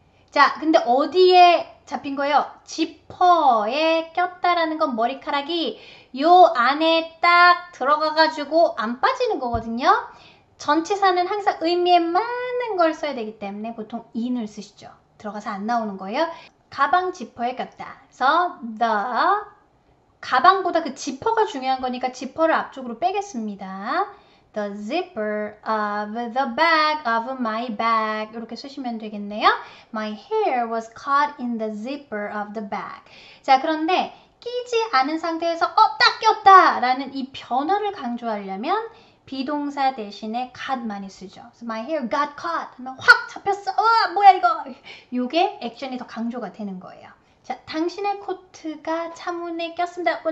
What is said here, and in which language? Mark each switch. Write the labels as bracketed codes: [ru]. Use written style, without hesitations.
[ko] 자, 근데 어디에 잡힌 거예요? 지퍼에 꼈다라는 건 머리카락이 요 안에 딱 들어가가지고 안 빠지는 거거든요. 전치사는 항상 의미에 맞는 걸 써야 되기 때문에 보통 in을 쓰시죠. 들어가서 안 나오는 거예요. 가방 지퍼에 꼈다. 그래서 the 가방보다 그 지퍼가 중요한 거니까 지퍼를 앞쪽으로 빼겠습니다. [en] The zipper of the back of my bag. [ko] 이렇게 쓰시면 되겠네요. [en] My hair was caught in the zipper of the bag. [ko] 자, 그런데 끼지 않은 상태에서 딱 꼈다라는 이 변화를 강조하려면 비동사 대신에 got 많이 쓰죠. [en] So my hair got caught. [ko] 하면 확 잡혔어. 와, 뭐야 이거. 요게 액션이 더 강조가 되는 거예요. 자, 당신의 코트가 창문에 꼈습니다.